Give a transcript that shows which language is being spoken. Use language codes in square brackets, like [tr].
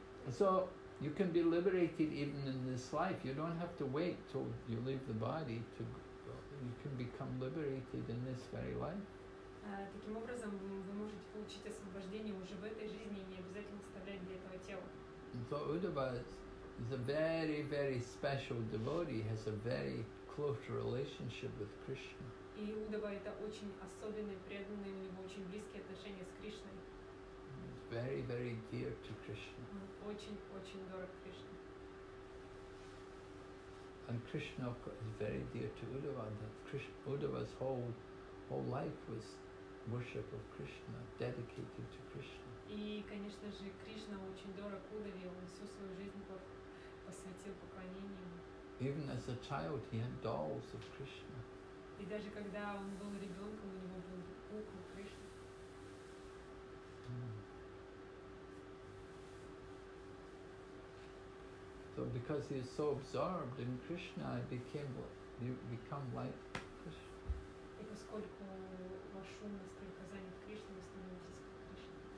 [en] So you can be liberated even in this life. You don't have to wait till you leave the body to go. You can become liberated in this very life. [ru] Таким образом, вы можете получить освобождение уже в этой жизни и не обязательно оставлять для этого тело. [en] So Uddhava is a very, very special devotee. He has a very close relationship with Krishna. [ru] И Удава это очень особенный, преданный, у него очень близкие отношения с Кришной. [en] Very, very dear to Krishna. [ru] Очень-очень дорог Кришне. [en] And Krishna is very dear to Udava. Udava's whole life was worship of Krishna, dedicated to Krishna. [ru] И, конечно же, Кришна очень дорог Удаве, он всю свою жизнь посвятил поклонению. [en] Even as a child he had dolls of Krishna. [ru] И даже когда он был ребенком, у него был кукла Кришна. [en] So because he is so absorbed in Krishna, you become like Krishna. [ru] И поскольку ваш ум настолько занят Кришной, вы становитесь как Кришна.